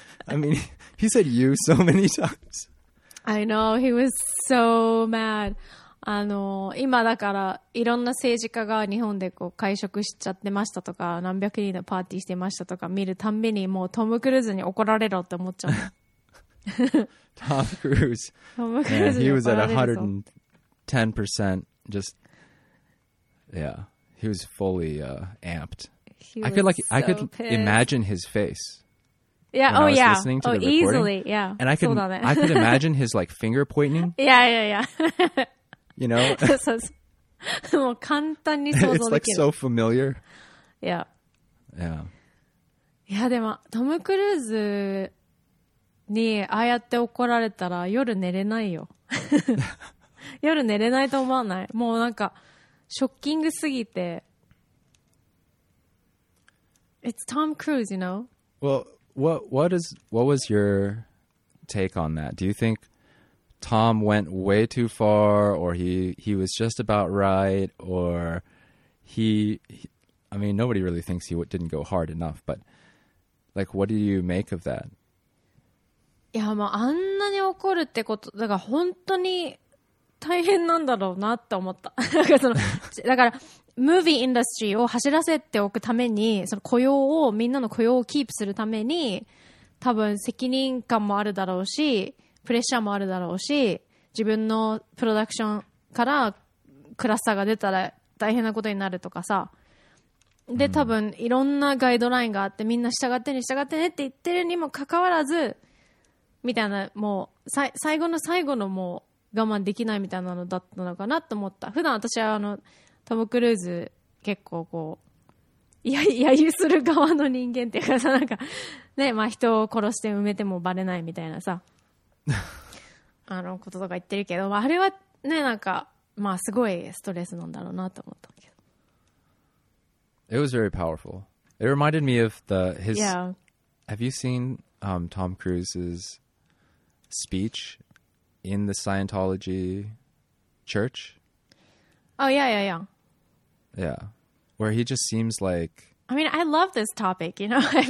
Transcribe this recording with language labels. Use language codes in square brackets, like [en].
[en] I mean, he said you so many times. I know. He was so mad. [ja] 今だからいろんな政治家が日本でこう会食しちゃってましたとか何百人のパーティーしてましたとか見るたんびにもうトム・クルーズに怒られろって思っちゃう。トム・クルーズ。トム・クルーズに怒られ [en] る。 He was at 110% just, yeah, he was fully amped. I could, like, so I could imagine his face. Yeah. Oh, yeah. Listening to oh, the easily. Yeah. And I could, I could imagine his like finger pointing. Yeah, yeah, yeah. You know. [ja] もう簡単に想像できる。 [en] It's like so familiar. Yeah. Yeah. [ja] いやでもトム・クルーズにああやって怒られたら夜寝れないよ。夜寝れないと思わない。もうなんかショッキングすぎて。 [en] It's Tom Cruise, you know. Well. What was your take on that? Do you think Tom went way too far, or he was just about right, or he I mean, nobody really thinks he didn't go hard enough, but like, what do you make of that? [ja] いや、もうあんなに怒るってこと、だから本当に大変なんだろうなって思った。だからその、だから、ムービーインダストリーを走らせておくためにその雇用をみんなの雇用をキープするために多分責任感もあるだろうしプレッシャーもあるだろうし自分のプロダクションからクラスターが出たら大変なことになるとかさで多分いろんなガイドラインがあってみんな従ってね従ってねって言ってるにもかかわらずみたいなもう最後の最後のもう我慢できないみたいなのだったのかなと思った普段私はあのトム・クルーズ結構こう揶揄する側の人間っていうかさなんかねまあ人を殺して埋めてもバレないみたいなさあのこととか言ってるけど、まあ、あれはねなんかまあすごいストレスなんだろうなと思ったけど [en] It was very powerful. It reminded me of the his、 yeah. Have you seen Tom Cruise's speech in the Scientology church? Oh, yeah, yeah, yeah. Yeah. Where he just seems like... I mean, I love this topic, you know?